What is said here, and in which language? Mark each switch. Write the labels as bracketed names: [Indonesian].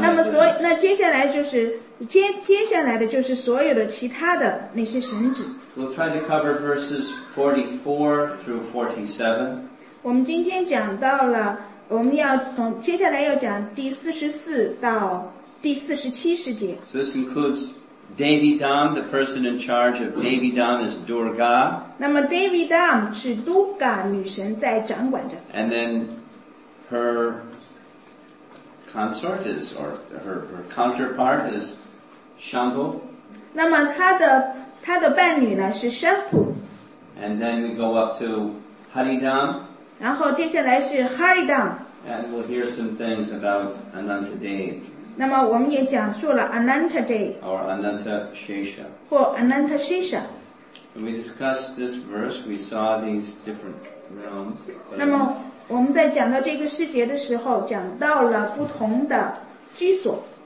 [Chinese] 那么所那接下来就是接下来的就是所有的其他的那些神职。 [English] We'll try to cover verses 44 through 47. [Chinese] 我们今天讲到了，我们要从接下来要讲第44到第47世界。 [English] So this includes Devidam, the person in charge of Devidam is Durga. [Chinese] 那么 Devidam 是 Durga 女神在掌管着。 [English] And then her consort is, or her counterpart is Shambhu. [Chinese] 那么她的伴侣呢是 Shambhu. [English] And then we go up to Haridam. [Chinese] 然后接下来是 Haridam. [English] And we'll hear some things about Anantadev. [Chinese] 那么我们也讲述了 Ananta Day [English] or Ananta Shesha [Chinese] 或 Ananta Shesha. [English] When we discussed this verse, we saw these different realms. [Chinese] 那么我们在讲到这个世界的时候，讲到了不同的居所。